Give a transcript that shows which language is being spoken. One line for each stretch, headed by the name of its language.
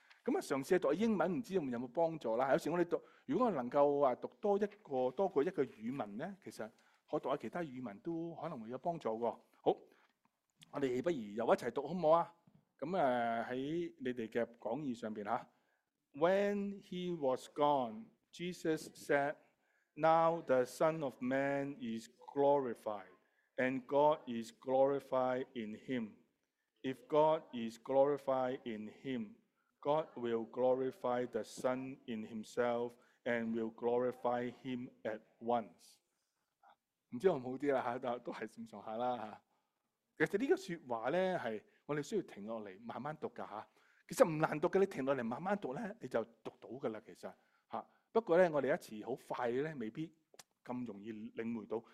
Cantonese: 咁啊，嘗試讀英文，唔知有冇幫助啦。有時我哋讀，如果我能夠話讀多一個多過一個語文咧，其實可讀下其他語文都可能會有幫助喎。好，我哋不如又一齊讀好唔好啊？咁喺你哋嘅講義上邊嚇。
English: When he was gone, Jesus said, "Now the Son of Man is glorified, and God is glorified in him. If God is glorified in him,God will glorify the Son in Himself and will glorify Him at once。
Cantonese: 唔知好唔好啲啦嚇，但都係正常下啦嚇。其實呢個説話咧，係我哋需要停落嚟慢慢讀噶嚇。其實唔難讀嘅，你停落嚟慢慢讀咧，你就讀到噶啦。其實嚇，不過咧，我哋一時好快咧，未必咁容易領會到。